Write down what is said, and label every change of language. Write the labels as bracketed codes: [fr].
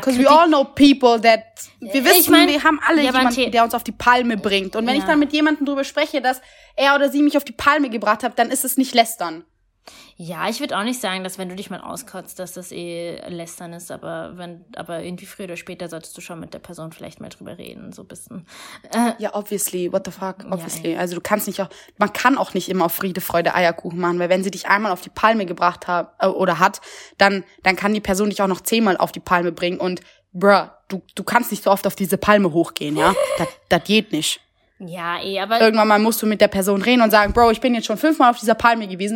[en] because we all know people that, [de] wir wissen, ich mein, wir haben alle jemanden, der uns auf die Palme bringt. Und wenn ich dann mit jemandem drüber spreche, dass er oder sie mich auf die Palme gebracht hat, dann ist es nicht lästern. Ja, ich würde auch nicht sagen, dass wenn du dich mal auskotzt, dass das eh lästern ist. Aber irgendwie früher oder später solltest du schon mit der Person vielleicht mal drüber reden, so ein bisschen. [en] Ja, obviously, what the fuck, obviously. [de] Ja, also du kannst nicht auch, man kann auch nicht immer auf Friede, Freude, Eierkuchen machen. Weil wenn sie dich einmal auf die Palme gebracht hat oder hat, dann kann die Person dich auch noch 10-mal auf die Palme bringen. Und bruh, du kannst nicht so oft auf diese Palme hochgehen, ja? Das geht nicht. Ja, aber... Irgendwann mal musst du mit der Person reden und sagen, Bro, ich bin jetzt schon 5-mal auf dieser Palme gewesen.